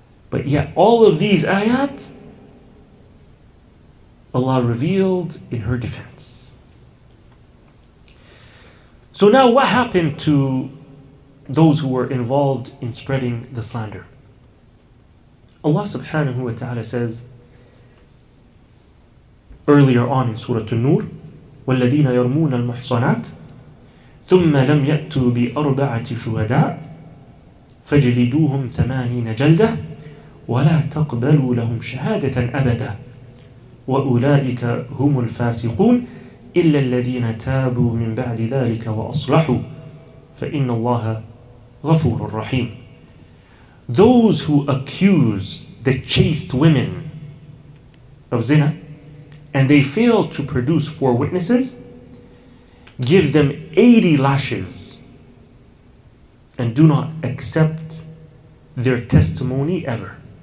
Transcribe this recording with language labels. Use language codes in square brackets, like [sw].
[en] But yet all of these ayat, Allah revealed in her defense. So now what happened to those who were involved in spreading the slander? Allah subhanahu wa ta'ala says earlier on in Surah An-Nur, [ar] وَالَّذِينَ يَرْمُونَ الْمُحْصَنَاتِ ثُمَّ لَمْ يَأْتُوا بِأَرْبَعَةِ شُهَدَاءِ فَجْلِدُوهُمْ ثَمَانِينَ جَلْدَةً وَلَا تَقْبَلُوا لَهُمْ شَهَادَةً أَبَدًا وَأُولَٰئِكَ هُمُ الْفَاسِقُونَ إِلَّا الَّذِينَ تَابُوا مِنْ بَعْدِ ذَلِكَ وَأَصْلَحُوا فَإِنَّ اللَّهَ غَفُورٌ رَحِيمٌ. [en] Those who accuse the chaste women of zina and they fail to produce four witnesses, give them 80 lashes and do not accept their testimony ever.